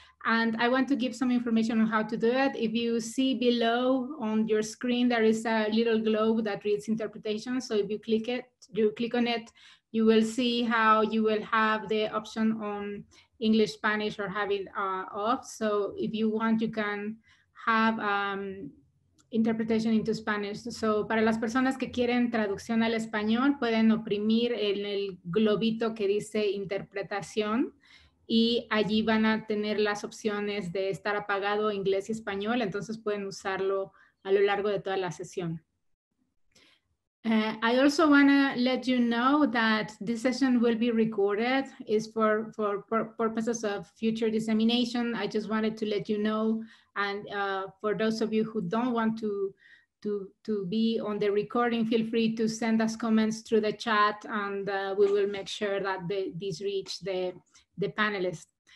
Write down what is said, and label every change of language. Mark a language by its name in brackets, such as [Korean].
[English] And I want to give some information on how to do it. If you see below on your screen, there is a little globe that reads interpretation. So if you click on it, you will see how you will have the option on English, Spanish, or have it off. So if you want, you can have interpretation into Spanish. [Spanish] So para las personas que quieren traducción al español, pueden oprimir en el globito que dice interpretación. Y allí van a tener las opciones de estar apagado inglés y español, entonces pueden usarlo a lo largo de toda la sesión. [English] I also want to let you know that this session will be recorded. It's for purposes of future dissemination. I just wanted to let you know, and for those of you who don't want to be on the recording, feel free to send us comments through the chat, and we will make sure that these reach the panelists.